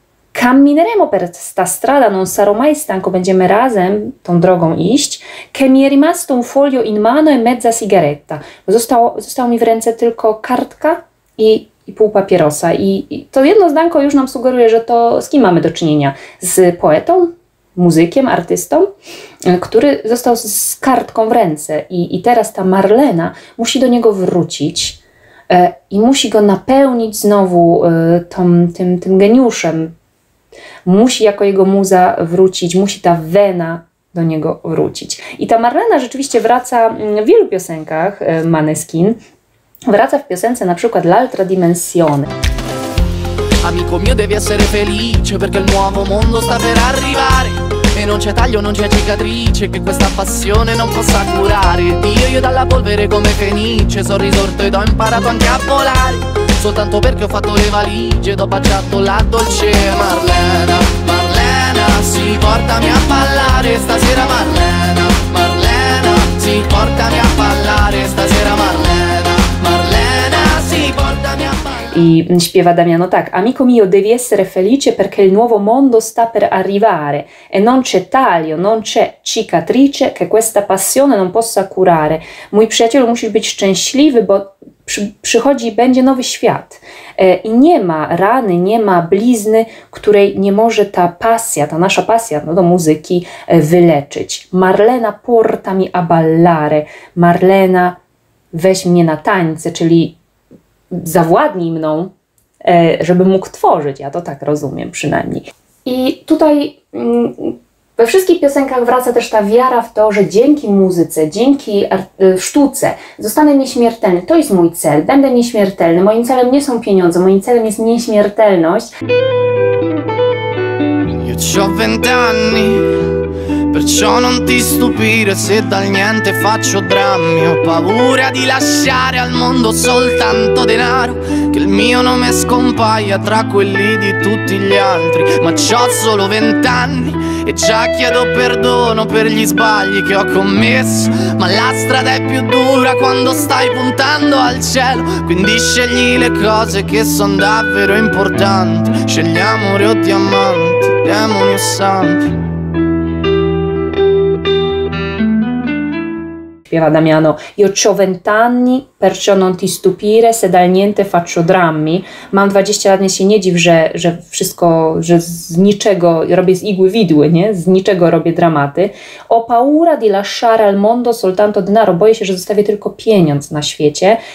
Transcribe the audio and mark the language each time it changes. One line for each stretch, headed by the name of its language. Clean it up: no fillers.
Italian: Cammineremo per sta strada, non sarò mai stanco,
Polish: będziemy razem tą drogą iść,
Italian: che mi è rimasto un foglio in mano e mezza sigaretta.
Polish: Zostało mi w ręce tylko kartka i pół papierosa. I to jedno zdanko już nam sugeruje, że to z kim mamy do czynienia? Z poetą? Muzykiem, artystą, który został z kartką w ręce i teraz ta Marlena musi do niego wrócić i musi go napełnić znowu tym geniuszem. Musi jako jego muza wrócić, musi ta wena do niego wrócić. I ta Marlena rzeczywiście wraca w wielu piosenkach Maneskin. Wraca w piosence na przykład L'altra dimensione.
Italian: Amico mio devi essere felice perché il nuovo mondo sta per arrivare. E non c'è taglio, non c'è cicatrice che questa passione non possa curare. Io dalla polvere come fenice sono risorto ed ho imparato anche a volare. Soltanto perché ho fatto le valigie ed ho baciato la dolce Marlena. Marlena, sì, portami a ballare stasera Marlena. Marlena, sì, portami a ballare stasera Marlena. Marlena, sì, portami a ballare.
Polish: I śpiewa Damiano tak.
Italian: Amico mio, devi essere felice perché il nuovo mondo sta per arrivare. E non c'è taglio, non c'è cicatrice che questa passione non possa curare.
Polish: Mój przyjacielu, musisz być szczęśliwy, bo przychodzi i będzie nowy świat. I nie ma rany, nie ma blizny, której nie może ta pasja, ta nasza pasja do muzyki wyleczyć.
Italian: Marlena, portami a ballare.
Polish: Marlena, weź mnie na tańce, czyli zawładnij mną, żeby mógł tworzyć, ja to tak rozumiem przynajmniej. I tutaj we wszystkich piosenkach wraca też ta wiara w to, że dzięki muzyce, dzięki sztuce zostanę nieśmiertelny. To jest mój cel, będę nieśmiertelny. Moim celem nie są pieniądze, moim celem jest nieśmiertelność.
Italian: Io c'ho 20 anni, perciò non ti stupire se dal niente faccio drammi. Ho paura di lasciare al mondo soltanto denaro, che il mio nome scompaia tra quelli di tutti gli altri. Ma c'ho solo 20 anni e già chiedo perdono per gli sbagli che ho commesso. Ma la strada è più dura quando stai puntando al cielo, quindi scegli le cose che sono davvero importanti. Scegli amore o diamanti, demoni o santi.
Polish: Śpiewa Damiano,
Italian: io c'ho 20 anni, perciò non ti stupire se dal niente faccio drammi.
Polish: Mam 20 lat, nie się nie dziw, że wszystko, że z niczego robię z igły widły, nie? Z niczego robię dramaty.
Italian: Ho paura di lasciare al mondo soltanto denaro,
Polish: boję się, że zostawię tylko pieniądz na świecie.